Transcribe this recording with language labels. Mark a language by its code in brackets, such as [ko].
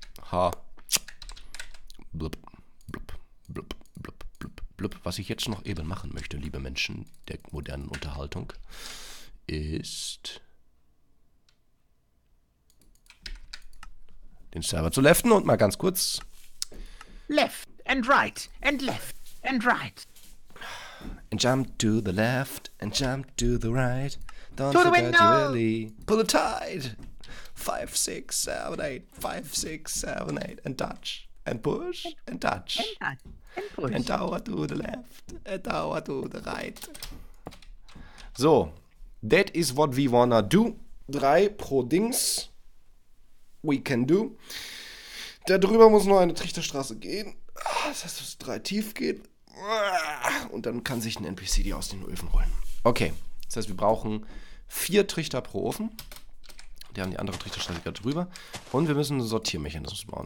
[de] Ha. Blub, blub, blub, blub, blub, blub. Was ich jetzt noch eben machen möchte, liebe Menschen der modernen Unterhaltung, ist den Server zu leften und mal ganz kurz. [en] Left and right and left and right. And jump to the left and jump to the right. Don't forget to really pull the tide. 5, 6, 7, 8. 5, 6, 7, 8. And touch and push and touch. And touch and push. And tower to the left and tower to the right. So, that is what we wanna do. [de] 3 pro Dings. [en] We can do. [de] Da drüber muss noch eine Trichterstraße gehen. Das heißt, dass es 3 tief geht. Und dann kann sich ein NPC die aus den Öfen holen. Okay, das heißt, wir brauchen 4 Trichter pro Ofen. Die haben die andere Trichterstraße gerade drüber. Und wir müssen einen Sortiermechanismus bauen.